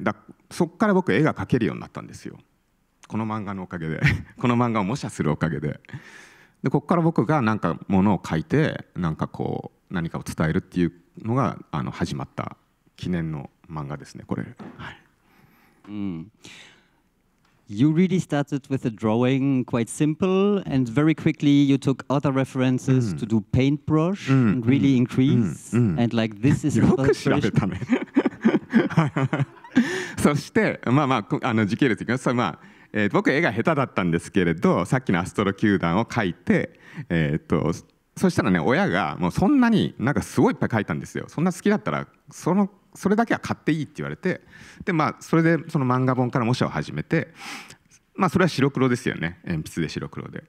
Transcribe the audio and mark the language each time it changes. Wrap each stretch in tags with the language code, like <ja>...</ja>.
<ja>だそっから僕絵が描けるようになったんですよ、この漫画のおかげで。この漫画を模写するおかげで。でここから僕が何か物を書いて、何かこう何かを伝えるっていうのがあの始まった記念の漫画ですね、これ。はい。</ja> <en>You really started with a drawing quite simple, and very quickly you took other references to do paintbrush and really increase. And like this is</en> <ja>よく調べたね。そしてまあまああの時系列いきます。まあ僕絵が下手だったんですけれど、さっきのアストロ球団を描いて、そしたらね、親がもうそんなになんかすごいいっぱい描いたんですよ。そんな好きだったらそれだけは買っていいって言われて、でまあそれでその漫画本から模写を始めて、まあそれは白黒ですよね、鉛筆で白黒で。</ja>